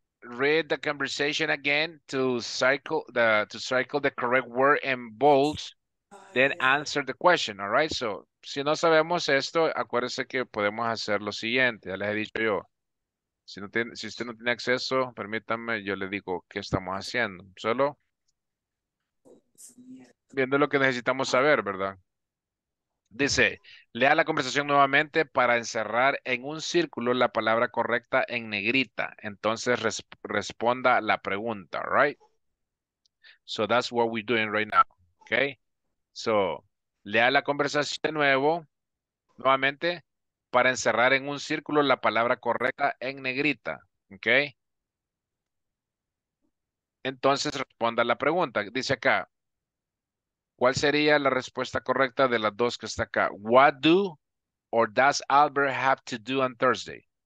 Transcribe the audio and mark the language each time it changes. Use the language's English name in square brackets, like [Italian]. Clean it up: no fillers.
[English] Read the conversation again to cycle the correct word in bold, then answer the question. All right. So, [Spanish] si no sabemos esto, acuérdese que podemos hacer lo siguiente. Ya les he dicho yo. Si usted no tiene acceso, permítanme, yo le digo qué estamos haciendo. Solo viendo lo que necesitamos saber, ¿verdad? Dice, lea la conversación nuevamente para encerrar en un círculo la palabra correcta en negrita. Entonces, responda la pregunta, [English] right? So, that's what we're doing right now, okay? So, [Spanish] lea la conversación nuevamente para encerrar en un círculo la palabra correcta en negrita, [English] okay? [Spanish] Entonces, responda la pregunta. Dice acá, ¿cuál sería la respuesta correcta de las dos que está acá? [English] What do or does Albert have to do on Thursday?